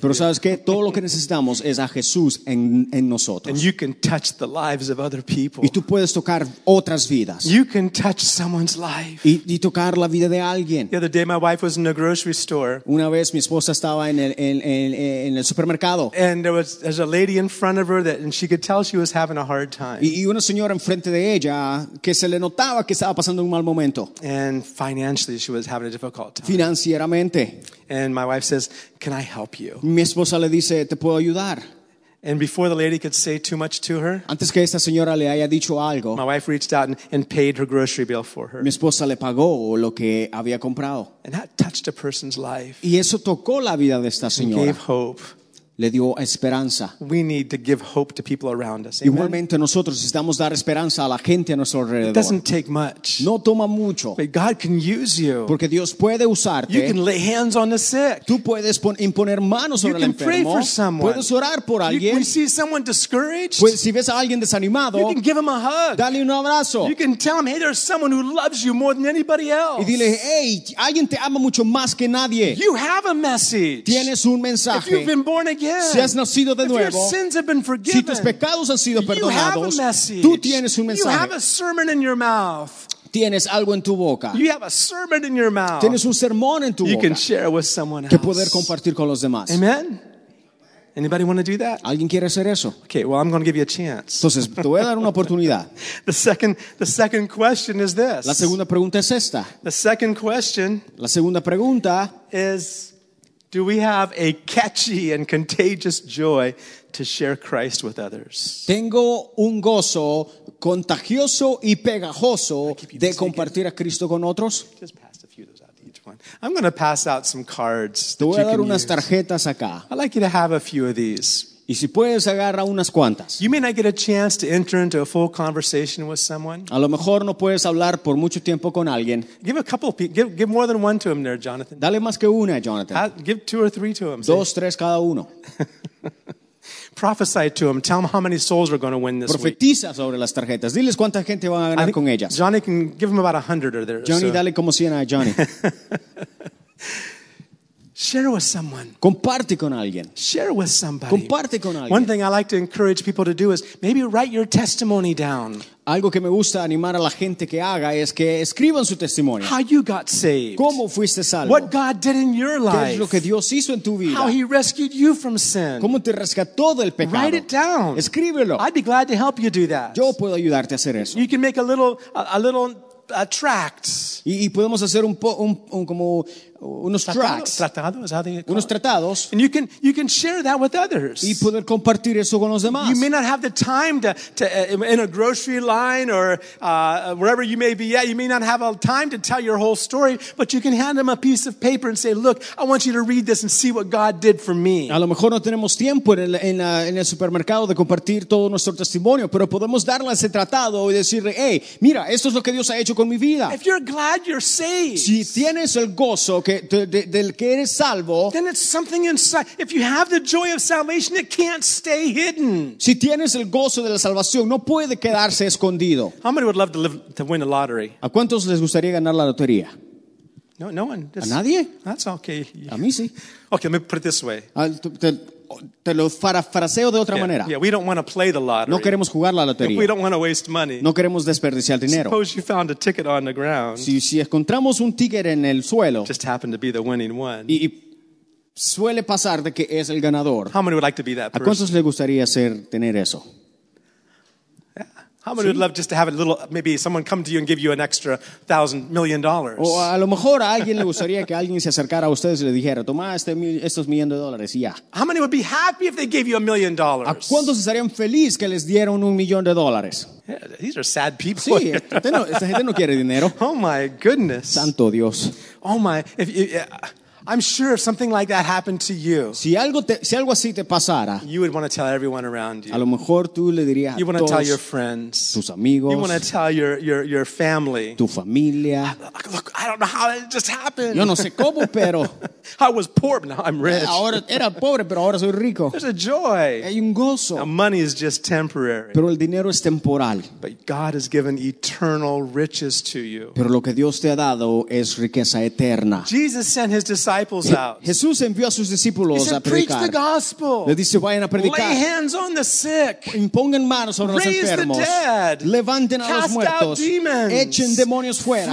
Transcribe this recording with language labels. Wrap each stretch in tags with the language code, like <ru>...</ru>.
<es>Pero sabes qué, todo lo que necesitamos es a Jesús en nosotros.</es> <en>And you can touch the lives of other people.</en> <es>Y tú puedes tocar otras vidas.</es> <en>You can touch someone's life.</en> <es>Y tocar la vida de alguien.</es> <en>The other day my wife was in a grocery store.</en> <es>Una vez mi esposa estaba en el supermercado.</es> <en>And there was a lady in front of her and she could tell she was having a hard time.</en> <es>Y una señora enfrente de ella que se le notaba que estaba pasando un mal momento.</es> <en>And financially she was having a difficult time.</en> <es>Financieramente.</es> <en>And my wife says, "Can I help you?"</en> <es>Mi esposa le dice, "¿Te puedo ayudar?"</es> <en>And before the lady could say too much to her,</en> <es>antes que esta señora le haya dicho algo,</es> <en>my wife reached out and paid her grocery bill for her.</en> <es>Mi esposa le pagó lo que había comprado.</es> <en>And that touched a person's life.</en> <es>Y eso tocó la vida de esta señora.</es> <en>Gave hope.</en> <es>le dio esperanza.</es> <en>We need to give hope to people around us.</en> <es>Igualmente nosotros necesitamos dar esperanza a la gente a nuestro alrededor.</es> <en>It doesn't take much.</en> <es>No toma mucho.</es> <en>But God can use you.</en> <es>Porque Dios puede usarte.</es> <en>You can lay hands on the sick.</en> <es>Tú puedes imponer manos sobre el enfermo.</es> <en>You can pray for someone.</en> <es>Puedes orar por alguien.</es> <en>You see someone discouraged.</en> <es>Pues si ves a alguien desanimado,</es> <en>you can give him a hug.</en> <es>Dale un abrazo.</es> <en>You can tell him, hey, there's someone who loves you more than anybody else.</en> <es>Y dile, hey, alguien te ama mucho más que nadie.</es> <en>You have a message.</en> <es>Tienes un mensaje.</es> <en>If you've been born again.</en> <es>Si has nacido de nuevo,</es> <en>if your sins have been forgiven,</en> <es>si tus pecados han sido perdonados,</es> <en>you have a message.</en> <es>Tú tienes un mensaje.</es> <en>You have a sermon in your mouth.</en> <es>Tienes algo en tu boca.</es> <en>You have a sermon in your mouth.</en> <es>Tienes un sermón en tu</es> <en>you</en> <es>boca.</es> <en>Can share with someone else.</en> <es>Que poder compartir con los demás.</es> <en>Amen. Anybody want to do that?</en> <es>¿Alguien quiere hacer eso?</es> <en>Okay, well, I'm going to give you a chance.</en> <es>Entonces, te voy a dar una oportunidad.</es> <en>The second question is this.</en> <es>La segunda pregunta es esta.</es> <en>The second question.</en> <es>La segunda pregunta</es> <en>is, do we have a catchy and contagious joy to share Christ with others?</en> <es>Tengo un gozo contagioso y pegajoso de compartir a Cristo con otros.</es> <en>Just pass a few of those out to each one. I'm going to pass out some cards.</en> <es>Te voy a dar unas tarjetas acá.</es> <en>I'd like you to have a few of these.</en> <es>Y si puedes, agarra unas cuantas.</es> <en>You may not get a chance to enter into a full conversation with someone.</en> <es>A lo mejor no puedes hablar por mucho tiempo con alguien.</es> <en>Give a couple of people, give more than one to him there, Jonathan.</en> <es>Dale más que una, Jonathan.</es> <en>Give two or three to him.</en> <es>Dos, tres cada uno.</es> <en>Prophesy to him. Tell him how many souls are going to win this</en> <es>profetiza</es> <en>week.</en> <es>Sobre las tarjetas. Diles cuánta gente van a ganar con ellas.</es> <en>Johnny can give him about 100 or there.</en> <es>Johnny,</es> <en>so.</en> <es>Dale como 100 a Johnny.</es> <en>Share with someone.</en> <es>Comparte con alguien.</es> <en>Share with somebody.</en> <es>Comparte con alguien.</es> <en>One thing I like to encourage people to do is maybe write your testimony down.</en> <es>Algo que me gusta animar a la gente que haga es que escriban su testimonio.</es> <en>How you got saved.</en> <es>¿Cómo fuiste salvo?</es> <en>What God did in your life.</en> <es>¿Qué es lo que Dios hizo en tu vida?</es> <en>How he rescued you from sin.</en> <es>¿Cómo te rescató del pecado?</es> <en>Write it down.</en> <es>Escríbelo.</es> <en>I'd be glad to help you do that.</en> <es>Yo puedo ayudarte a hacer eso.</es> <en>You can make a little tract.</en> <es>Y podemos hacer un como unos tracts. Unos tratados.</es> <en>And you can share that with others.</en> <es>Y poder compartir eso con los demás.</es> <en>You may not have the time to in a grocery line or wherever you may be at, you may not have all time to tell your whole story, but you can hand them a piece of paper and say, look, I want you to read this and see what God did for me.</en> <es>A lo mejor no tenemos tiempo en el supermercado de compartir todo nuestro testimonio, pero podemos darle ese tratado y decirle, hey, mira, esto es lo que Dios ha hecho con mi vida.</es> <en>If you're glad you're saved,</en> <es>si tienes el gozo del que eres salvo,</es> <en>then it's something inside. If you have the joy of salvation, it can't stay hidden.</en> <es>Si tienes el gozo de la salvación, no puede quedarse escondido.</es> <en>How many would love to win a lottery?</en> <es>¿A cuántos les gustaría ganar la lotería?</es> <en>No one. Just,</en> <es>¿a nadie?</es> <en>That's okay.</en> <es>A mí sí.</es> <en>Okay, let me put it this way.</en> <es>Te lo parafraseo de otra manera.</es> <en>Yeah, we don't want to play the lottery.</en> <es>No queremos jugar la lotería.</es> <en>We don't want to waste money.</en> <es>No queremos desperdiciar dinero.</es> <en>Suppose you found a ticket on the ground.</en> <es>Si encontramos un ticket en el suelo.</es> <en>Just happened to be the winning one.</en> <es>Y suele pasar de que es el ganador.</es> <en>How many would like to be that person?</en> <es>¿A cuántos le gustaría tener eso?</es> <en>How many would love just to have a little, maybe someone come to you and give you an extra $1,000,000,000?</en> <es>O a lo mejor a alguien le gustaría que alguien se acercara a ustedes y le dijera, toma estos millones de dólares y ya.</es> <en>How many would be happy if they gave you $1,000,000?</en> <es>¿A cuántos estarían felices que les dieran $1,000,000?</es> <en>Yeah, these are sad people.</en> <es>Sí, esta gente no quiere dinero.</es> <en>Oh my goodness.</en> <es>Santo Dios.</es> <en>Oh my, I'm sure if something like that happened to you,</en> <es>si algo así te pasara,</es> <en>you would want to tell everyone around you.</en> <es>A lo mejor tú le dirías a</es> <en>you want</en> <es>todos,</es> <en>to tell your friends.</en> <es>Tus amigos,</es> <en>you want to tell your family.</en> <es>Tu familia.</es> <en>Look, I don't know how it just happened.</en> <es>Yo no sé cómo, pero</es> <en>I was poor, but now I'm rich.</en> <es>Ahora era pobre, pero ahora soy rico.</es> <en>There's a joy.</en> <es>Hay un gozo.</es> <en>Now, money is just temporary.</en> <es>Pero el dinero es temporal.</es> <en>But God has given eternal riches to you.</en> <es>Pero lo que Dios te ha dado es riqueza eterna.</es> <en>Jesus sent his disciples.</en> <es>Jesús envió a sus discípulos a predicar. Le dice, vayan a predicar.</es> <en>Lay hands on the sick.</en> <es>Impongan manos sobre</es> <en>raise</en> <es>los enfermos.</es> <en>The dead.</en> <es>Levanten</es> <en>cast</en> <es>a los muertos.</es> <en>Out demons.</en> <es>Echen demonios fuera.</es>